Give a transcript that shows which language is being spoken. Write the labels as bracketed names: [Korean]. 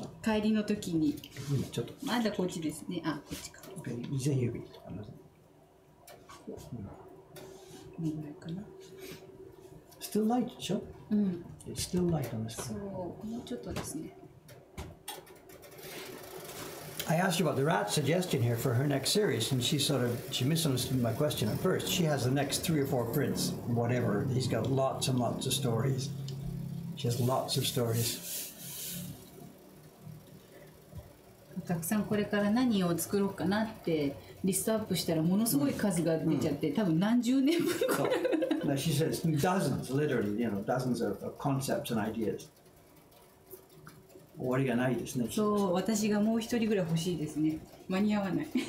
[Japanese] 帰りの時に、うん、ちょっとまだこっちですね。あ、こっちか。以前指とかな。こんなかな。 [English] Still light でしょ？ [Japanese] うん。 [English] Still light on this card。 [Japanese] そう、もうちょっとですね。 [English] I asked her about the rat suggestion here for her next series, and she sort of, she misunderstood my question at first. She has the next three or four prints, whatever. He's got lots and lots of stories. She has lots of stories. [Japanese] たくさんこれから何を作ろうかなってリストアップしたらものすごい数が出ちゃって、多分何十年分か。 [English] Now she says dozens, literally, you know, dozens of concepts and ideas. [Japanese] 終わりがないですね。そう、私がもう一人ぐらい欲しいですね。間に合わない。